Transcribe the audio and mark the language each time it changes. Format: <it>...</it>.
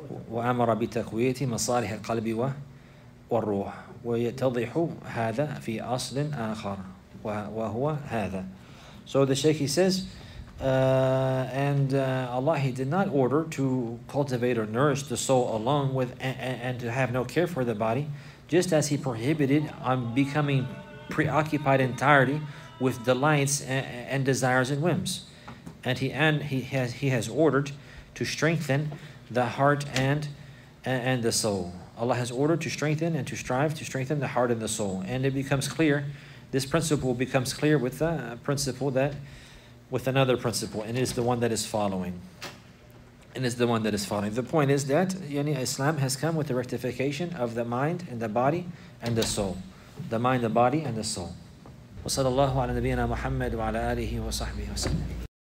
<ar>وأمر بتقوية مصالح القلب والروح ويتضح هذا في أصل آخر وهو هذا.</ar> <en>So the Sheikh, he says, Allah, He did not order to cultivate or nourish the soul alone with and to have no care for the body, just as He prohibited on becoming preoccupied entirely with delights and desires and whims. And he has ordered to strengthen the heart and the soul. Allah has ordered to strengthen and to strive to strengthen the heart and the soul. And it becomes clear, this principle becomes clear with the principle that, with another principle, and it is the one that is following. The point is that Islam has come with the rectification of the mind and the body and the soul. The mind, the body, and the soul.</en> <ar>وصلى الله على نبينا محمد وعلى آله وصحبه وسلم.</ar>